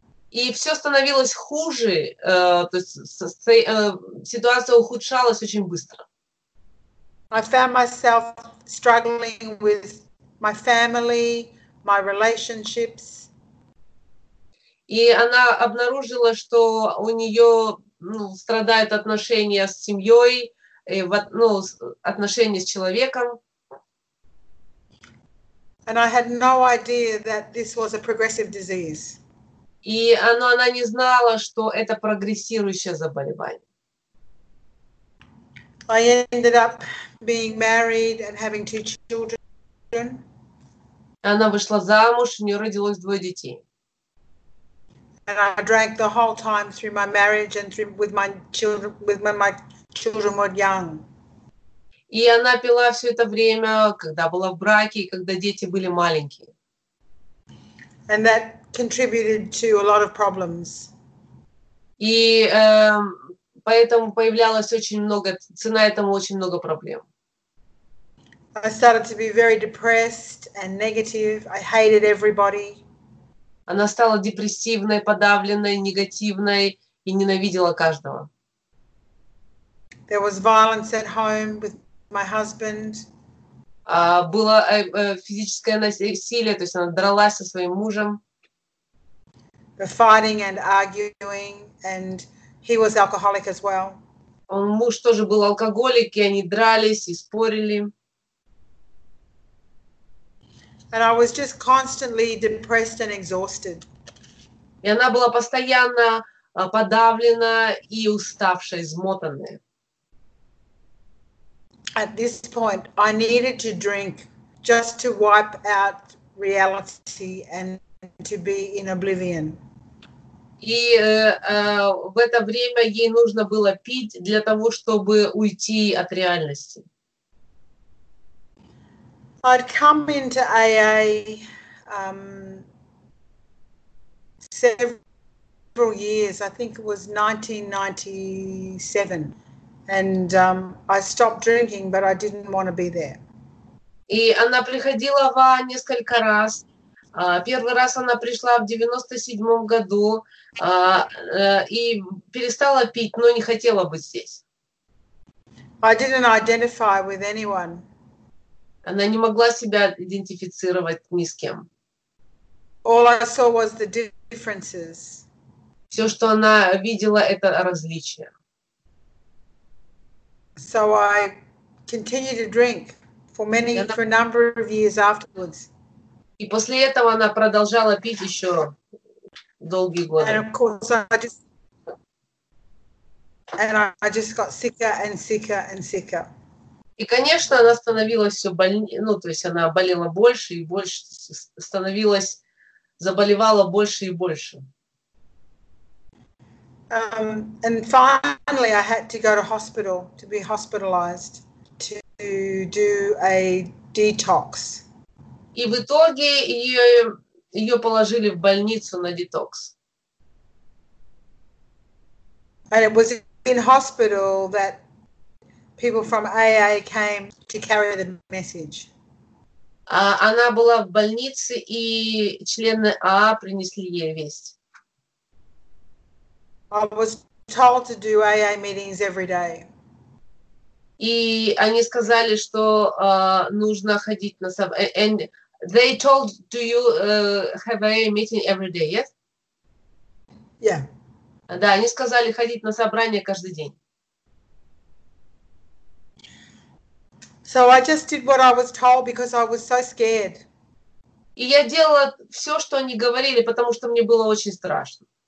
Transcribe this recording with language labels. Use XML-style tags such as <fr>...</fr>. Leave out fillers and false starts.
<ru>И все становилось хуже, то есть ситуация ухудшалась очень быстро.</ru> <en>I found myself struggling with my family, my relationships.</en> <ru>И она обнаружила, что у нее страдают отношения с семьей, отношения с человеком.</ru> <en>And I had no idea that this was a progressive disease.</en> <ru>И она не знала, что это прогрессирующее заболевание.</ru> <en>I ended up being married and having two children.</en> <ru>Она вышла замуж, у нее родилось двое детей.</ru> <en>And I drank the whole time through my marriage and through with my children, with when my children were young.</en> <ru>И она пила все это время, когда была в браке и когда дети были маленькие.</ru> <en>And that contributed to a lot of problems.</en> <ru>И поэтому появлялось очень много, цена этому очень много проблем.</ru> <en>I started to be very depressed and negative. I hated everybody.</en> <ru>Она стала депрессивной, подавленной, негативной и ненавидела каждого.</ru> <en>There was violence at home with my husband.</en> <ru>Было физическое насилие, то есть она дралась со своим мужем.</ru> <en>The fighting and arguing, and he was alcoholic as well.</en> <ru>Муж тоже был алкоголик, и они дрались и спорили.</ru> <en>And I was just constantly depressed and exhausted.</en> <ru>И она была постоянно подавлена и уставшая, измотанная.</ru> <en>At this point, I needed to drink just to wipe out reality and to be in oblivion.</en> <ru>И в это время ей нужно было пить для того, чтобы уйти от реальности.</ru> <en>I'd come into AA several years. I think it was 1997. And I stopped drinking, but I didn't want to be there.</en> <ru>И она приходила в АА несколько раз. Первый раз она пришла в 97 году и перестала пить, но не хотела быть здесь.</ru> <en>I didn't identify with anyone.</en> <ru>Она не могла себя идентифицировать ни с кем.</ru> <en>All I saw was the differences.</en> <ru>Все, что она видела, это различия.</ru> <en>So I continued to drink for a number of years afterwards.</en> <ru>И после этого она продолжала пить еще долгие годы.</ru> <en>And of course, I just got sicker and sicker and sicker.</en> <ru>И конечно, она становилась все больнее, ну то есть она болела больше и больше, становилась, заболевала больше и больше.</ru> <en>And finally, I had to go to hospital to be hospitalized to do a detox.</en> <ru>И в итоге ее положили в больницу на детокс.</ru> <en>And it was in hospital that people from AA came to carry the message.</en> <ru>Она была в больнице, и члены АА принесли ей весть.</ru> <en>I was told to do AA meetings every day.</en> <ru>И они сказали, что нужно ходить на сов...</ru> <en>And they told, do you have AA meeting every day, yes? Yeah.</en> <ru>Да, они сказали ходить на собрание каждый день.</ru> <en>So I just did what I was told because I was so scared.</en> <ru>И я делала все, что они говорили, потому что мне было очень страшно.</ru>